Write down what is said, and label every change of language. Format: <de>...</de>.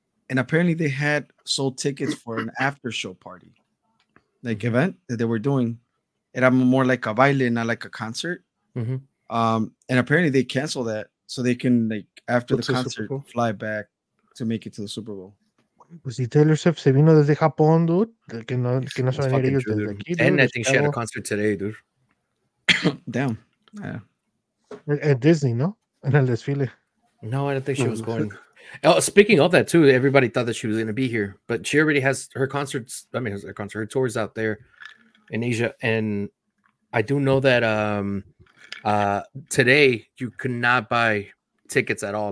<en>And apparently they had sold tickets for an after-show party, like event that they were doing. It had more like a baile, not like a concert. Mm-hmm. And apparently they canceled that so they can, like, after the concert, fly back to make it to the Super Bowl.</en> <es>Pues si Taylor Swift se vino desde Japón, dude. Que no se van a ir ellos desde aquí, dude.</es> <en>And I think she had a concert today, dude. Damn. Yeah. At Disney, no?</en> <es>En el desfile.</es> <en>No, I don't think she was going. Speaking of that too, everybody thought that she was going to be here, but she already has her concerts. I mean, her tours out there in Asia. And I do know that today you could not buy tickets at all.</en>